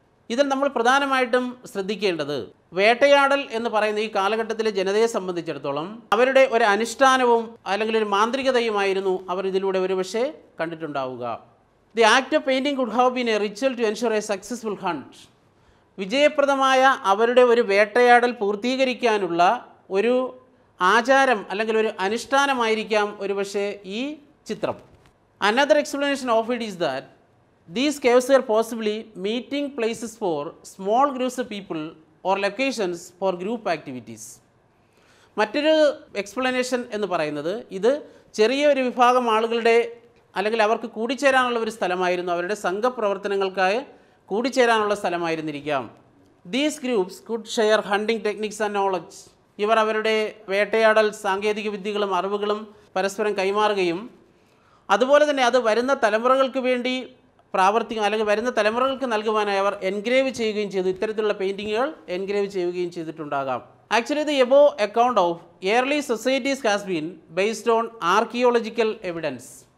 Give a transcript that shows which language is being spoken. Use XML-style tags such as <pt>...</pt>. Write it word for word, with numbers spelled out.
<ml>ഇതിൽ നമ്മൾ പ്രധാനമായിട്ടും ശ്രദ്ധിക്കേണ്ടത്, വേട്ടയാടൽ എന്ന് പറയുന്ന ഈ കാലഘട്ടത്തിലെ ജനതയെ സംബന്ധിച്ചിടത്തോളം അവരുടെ ഒരു അനുഷ്ഠാനവും അല്ലെങ്കിൽ ഒരു മാന്ത്രികതയുമായിരുന്നു അവർ ഇതിലൂടെ ഒരുപക്ഷെ കണ്ടിട്ടുണ്ടാവുക.</ml> <en>The act of painting could have been a ritual to ensure a successful hunt.</en> <ml>വിജയപ്രദമായ അവരുടെ ഒരു വേട്ടയാടൽ പൂർത്തീകരിക്കാനുള്ള ഒരു ആചാരം അല്ലെങ്കിൽ ഒരു അനുഷ്ഠാനമായിരിക്കാം ഒരുപക്ഷെ ഈ ചിത്രം.</ml> <en>Another explanation of it is that these caves were possibly meeting places for small groups of people or locations for group activities.</en> <ml>മറ്റൊരു എക്സ്പ്ലനേഷൻ എന്ന് പറയുന്നത്, ഇത് ചെറിയൊരു വിഭാഗം ആളുകളുടെ അല്ലെങ്കിൽ അവർക്ക് കൂടിച്ചേരാനുള്ള ഒരു സ്ഥലമായിരുന്നു, അവരുടെ സംഘപ്രവർത്തനങ്ങൾക്കായി കൂടിച്ചേരാനുള്ള സ്ഥലമായിരുന്നിരിക്കാം.</ml> <en>These groups could share hunting techniques and knowledge.</en> <ml>ഇവർ അവരുടെ വേട്ടയാടൽ സാങ്കേതിക വിദ്യകളും അറിവുകളും പരസ്പരം കൈമാറുകയും അതുപോലെ തന്നെ അത് വരുന്ന തലമുറകൾക്ക് വേണ്ടി പ്രാവർത്തികം അല്ലെങ്കിൽ വരുന്ന തലമുറകൾക്ക് നൽകുവാനായി അവർ എൻഗ്രേവ് ചെയ്യുകയും ചെയ്തു. ഇത്തരത്തിലുള്ള പെയിൻറ്റിങ്ങുകൾ എൻഗ്രേവ് ചെയ്യുകയും ചെയ്തിട്ടുണ്ടാകാം.</ml> <en>Actually the above account of early societies has been based on archaeological evidence.</en>